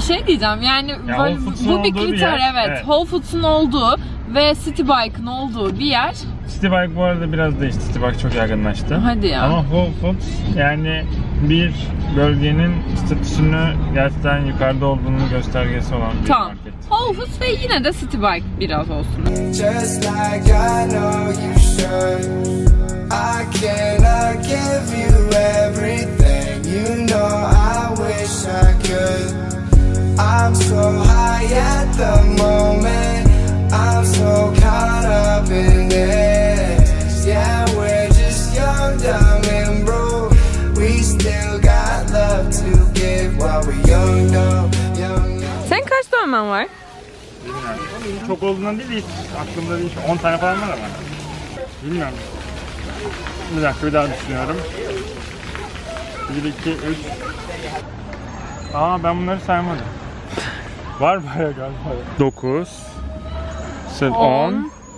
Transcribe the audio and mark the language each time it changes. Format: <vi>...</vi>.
<tr>Bir şey diyeceğim yani böyle, bu bir kriter bir yer, evet. Whole Foods'un olduğu ve City Bike'ın olduğu bir yer. City Bike bu arada biraz değişti. City Bike çok yaygınlaştı. Hadi ya. Ama Whole Foods yani bir bölgenin statüsünü gerçekten yukarıda olduğunu göstergesi olan bir tamam. Market. Tamam. Whole Foods ve yine de City Bike biraz olsun.</tr> <en>Just like I know you should. I cannot give you everything. You know I wish I could. I'm so high at the moment. I'm so caught up in this. Yeah, we're just young, dumb, and broke. We still got love to give while we're young, dumb, young.</en> <tr>Sen kaç dövmen var? Bilmiyorum. Çok olduğundan değil, hiç aklımda değil. 10 tane falan var ama. Bilmiyorum. Bir dakika, bir daha düşünüyorum. 1, 2, 3. Aa, ben bunları saymadım. Var bayağı galiba. 9. Sen 10.</tr>